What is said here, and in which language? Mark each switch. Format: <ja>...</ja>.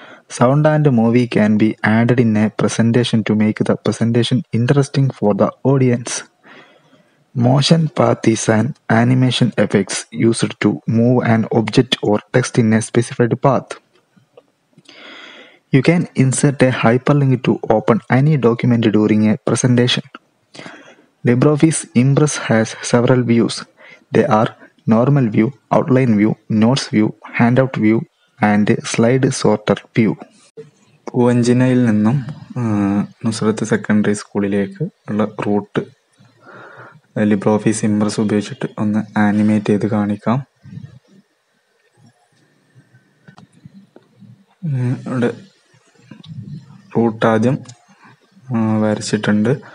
<en>Sound and movie can be added in a presentation to make the presentation interesting for the audience. Motion path is an animation effects used to move an object or text in a specified path. You can insert a hyperlink to open any document during a presentation. LibreOffice Impress has several views. They are normal view, outline view, notes view, handout view and slide sorter view.</en> <ml>പൂവഞ്ചിനയിൽ നിന്നും Nusrat secondary സ്കൂളിലേക്ക് ഉള്ള root LibreOffice Impress ഉപയോഗിച്ചിട്ട് ഒന്ന് animate ചെയ്ത് കാണിക്കാം. ഇവിടെ root ആദ്യം വരച്ചിട്ടുണ്ട്.</ml>